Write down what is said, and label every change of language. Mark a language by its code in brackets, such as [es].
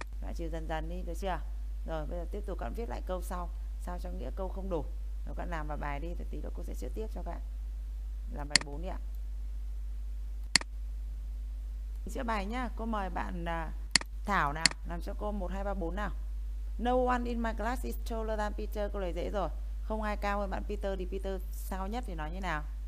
[vi] Loại trừ dần dần đi, được chưa? Rồi bây giờ tiếp tục các bạn viết lại câu sau, sao cho nghĩa câu không đủ. Rồi các bạn làm vào bài đi, thì tí nữa cô sẽ sửa tiếp cho các bạn. Làm bài 4 đi ạ. Sửa bài nhá, cô mời bạn Thảo nào, làm cho cô 1, 2, 3, 4 nào. [en] No one in my class is taller than Peter. [vi] Câu này dễ rồi. Không ai cao hơn bạn Peter, thì Peter sao nhất thì nói như nào?